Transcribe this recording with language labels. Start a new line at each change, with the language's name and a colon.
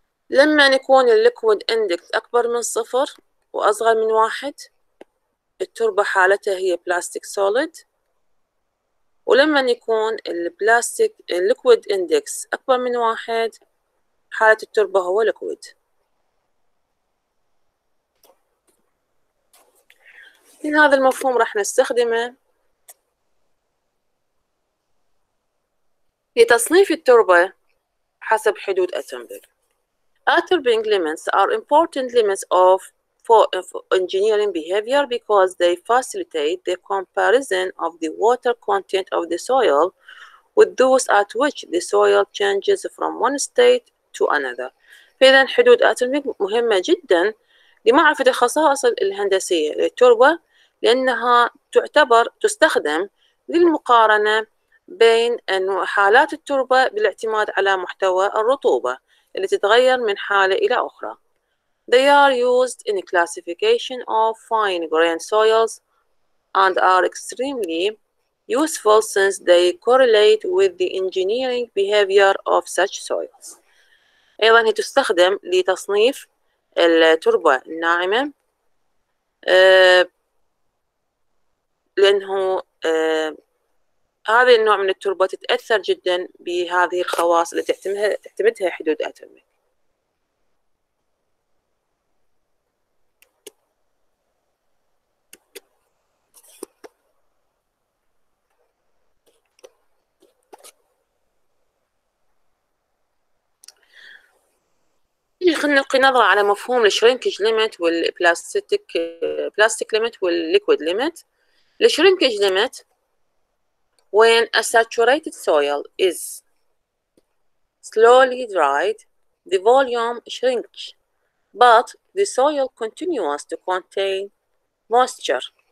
Arabic: لما يكون الليكويد اندكس أكبر من صفر وأصغر من واحد التربة حالتها هي بلاستيك سوليد، ولما يكون البلاستيك الليكويد اندكس أكبر من واحد حالة التربة هو ليكويد. من هذا المفهوم راح نستخدمه لتصنيف التربة حسب حدود أتربينج.
English: Atterberg limits are important limits of for engineering behavior because they facilitate the comparison of the water content of the soil with those at which the soil changes from one state to another.
Arabic: فإذا حدود أتربينج مهمة جدا لمعرفة الخصائص الهندسية للتربة، لأنها تعتبر تستخدم للمقارنة بين حالات التربة بالاعتماد على محتوى الرطوبة اللي تتغير من حالة إلى أخرى.
English: They are used in classification of fine-grained soils and are extremely useful since they correlate with the engineering behavior of such soils.
Arabic: أيضا هي تستخدم لتصنيف التربة الناعمة لأنه هذا النوع من التربة تتأثر جدا بهذه الخواص التي تعتمدها حدود أتومك. خلينا نلقي نظرة على مفهوم الشرينكج ليميت والبلاستيك ليميت والليكويد ليميت.
English: الشرينكج limit when a saturated soil is slowly dried, the volume shrinks, but the soil continues to contain moisture.